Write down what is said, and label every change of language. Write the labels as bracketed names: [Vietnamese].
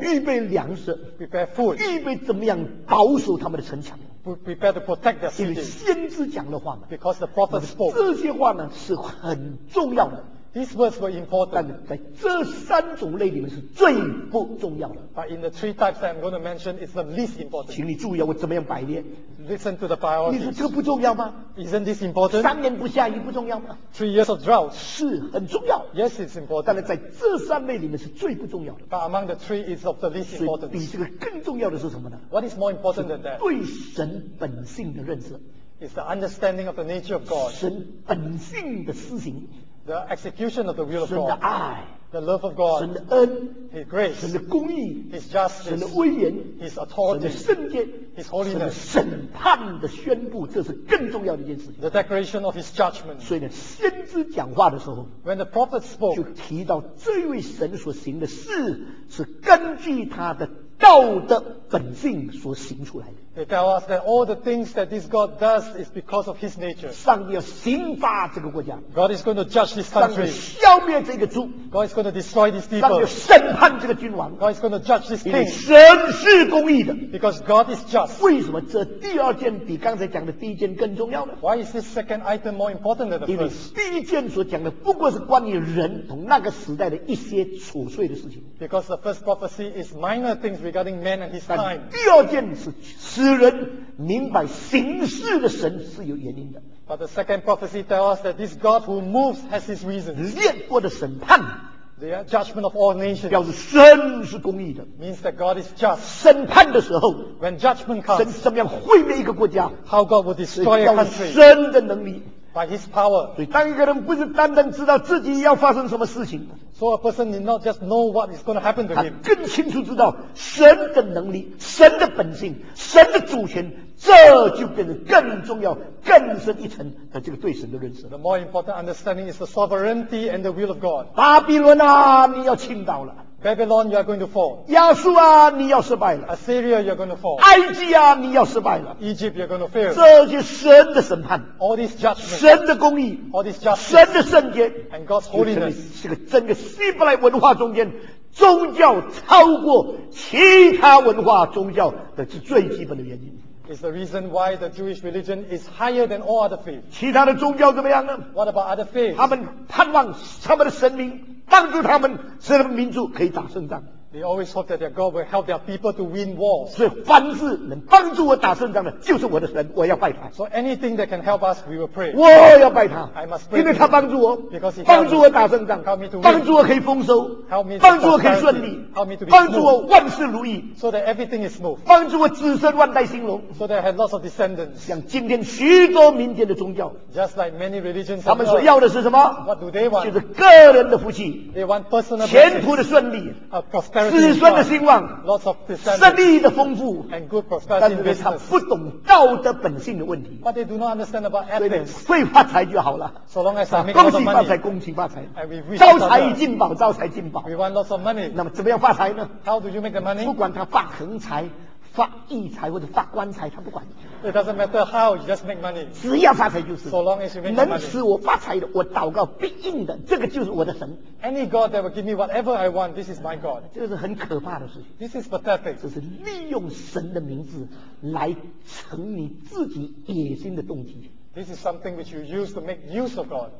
[Chinese] 预备粮食。 [English] Prepare food. [Chinese] 预备怎么样保守他们的城墙。 [English] Prepare to protect their city. [Chinese] 因为先知讲的话嘛。 [English] Because the prophet spoke. [Chinese] 这些话呢是很重要的。 [English] These words were important. [Chinese] 但在这三种类里面是最不重要的。 [English] But in the three types that I'm going to mention, it's the least important. [Chinese] 请你注意啊，我怎么样摆列 [English] ？Listen to the priority. [Chinese] 你说这个不重要吗 [English] ？Isn't this important? [Chinese] 三年不下雨不重要吗 [English] ？Three years of drought. [Chinese] 是很重要。 [English] Yes, it's important. [Chinese] 但是在这三类里面是最不重要的。 [English] But among the three, it's of the least importance. [Chinese] 所以比这个更重要的是什么呢 [English] ？What is more important than that? [Chinese] 对神本性的认识。 [English] It's the understanding of the nature of God. [Chinese] 神本性的施行。 [English] The execution of the will of God. [Chinese] 神的爱。 [English] The love of God. [Chinese] 神的恩。 [English] His grace. [Chinese] 神的公义。 [English] His justice. [Chinese] 神的威严。 [English] His authority. [Chinese] 神的圣洁。 [English] His holiness. [Chinese] 神的审判的宣布，这是更重要的一件事情。 [English] The declaration of his judgment. [Chinese] 所以呢，先知讲话的时候。 [English] When the prophet spoke. [Chinese] 就提到这位神所行的事，是根据他的道德本性所行出来的。 [English] They tell us that all the things that this God does is because of His nature. [Chinese] 上帝要刑罚这个国家。 [English] God is going to judge this country. [Chinese] 上帝消灭这个族。 [English] God is going to destroy these people. [Chinese] 上帝审判这个君王。 [English] God is going to judge this king. [Chinese] 神是公义的。 [English] Because God is just. [Chinese] 为什么这第二件比刚才讲的第一件更重要呢 [English] ？Why is this second item more important than the first? [Chinese] 因为第一件所讲的不过是关于人同那个时代的一些琐碎的事情。 [English] Because the first prophecy is minor things regarding man and his time. [Chinese] 第二件是。使人明白行事的神是有原因的。 [English] But the second prophecy tells us that this God who moves has his reasons. [Chinese] 列国的审判。 [English] The judgment of all nations. [Chinese] 表示神是公义的。 [English] Means that God is just. [Chinese] 审判的时候。 [English] When judgment comes. [Chinese] 神怎么样毁灭一个国家。 [English] How God will destroy a country. [Chinese] 神的能力。 [English] By his power. [Chinese] 所以当一个人不是单单知道自己要发生什么事情。 [English] So a person need not just know what is going to happen to him. [Chinese] 他更清楚知道神的能力、神的本性、神的主权，这就变得更重要、更深一层的这个对神的认识。 [English] The more important understanding is the sovereignty and the will of God. [Chinese] 巴比伦啊，你要倾倒了。 [English] Babylon, you are going to fall. [Chinese] 亚述啊，你要失败了。 [English] Assyria, you are going to fall. [Chinese] 埃及啊，你要失败了。 [English] Egypt, you are going to fail. [Chinese] 这就是神的审判。 [English] All this judgment. [Chinese] 神的公义。 [English] All this justice. [Chinese] 神的圣洁。 [English] And God's holiness. [Chinese] 这个整个希伯来文化中间，宗教超过其他文化宗教的是最基本的原因。 [English] Is the reason why the Jewish religion is higher than all other faiths. [Chinese] 其他的宗教怎么样呢 [English] ？What about other faiths? [Chinese] 他们盼望他们的神明。帮助他们，使他们民族可以打胜仗。 [English] They always hope that their God will help their people to win wars. [Chinese] 所以凡是能帮助我打胜仗的，就是我的神，我要拜他。 [English] So anything that can help us, we will pray. [Chinese] 我要拜他 [English] ，I must pray. [Chinese] 因为他帮助我 [English] ，because he [Chinese] 帮助我打胜仗 [English] ，help me to win. [Chinese] 帮助我可以丰收 [English] ，help me [Chinese] 帮助我可以顺利 [English] ，help me to be. [Chinese] 帮助我万事如意 [English] ，so that everything is smooth. [Chinese] 帮助我子孙万代兴隆 [English] ，so that I have lots of descendants. [Chinese] 像今天许多民间的宗教 [English] ，just like many religions, [Chinese] 他们所要的是什么 [English] ？What do they want? [Chinese] 就是个人的福气 [English] ，they want personal [Chinese] 前途的顺利 [English] ，a prosperity. [Chinese] 子孙的兴旺，生意的丰富，但是他不懂道德本性的问题。 [English] But they do not understand about ethics. [Chinese] 所以会发财就好了。 [English] So long as I make a lot of money, [Chinese] 恭喜发财，恭喜发财！ [English] And we wish [Chinese] 招财进宝，招财进宝。 [English] We want lots of money. [Chinese] 那么怎么样发财呢 [English] ？How do you make the money? [Chinese] 不管他发横财、发异财或者发官财，他不管。 [English] It doesn't matter how you just make money. [Chinese] 只要发财就是。 [English] So long as you make money. [Chinese] 能使我发财的，我祷告必应的，这个就是我的神。 [English] Any God that will give me whatever I want, this is my God. [Chinese] 这是很可怕的事情。 [English] This is pathetic. [Chinese] 这是利用神的名字来成你自己野心的动机。 [English] This is something which you use to make use of God.